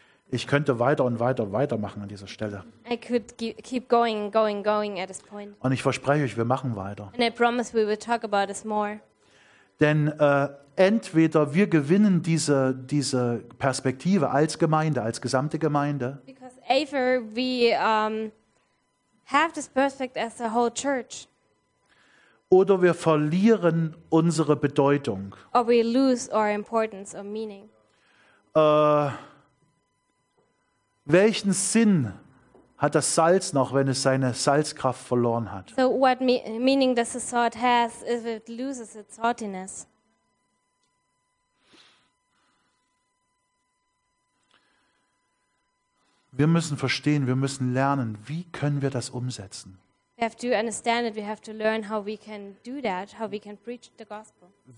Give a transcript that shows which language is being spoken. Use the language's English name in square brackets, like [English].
[German] Ich könnte weiter und weiter und weiter machen an dieser Stelle. [English] I could keep going and going and going at this point. [German] Und ich verspreche euch, wir machen weiter. [English] And I promise we will talk about this more. [German] Denn entweder wir gewinnen diese Perspektive als Gemeinde, als gesamte Gemeinde. [English] Because ever we have this perfect as a whole church. [German] Oder wir verlieren unsere Bedeutung. [English] Or we lose our importance or meaning. [German] Welchen Sinn hat das Salz noch, wenn es seine Salzkraft verloren hat? [English] So what meaning does the salt has if it loses its saltiness? [German] Wir müssen verstehen, wir müssen lernen, wie können wir das umsetzen? [English] We have to understand it, we have to learn how we can do that, how we can preach the gospel.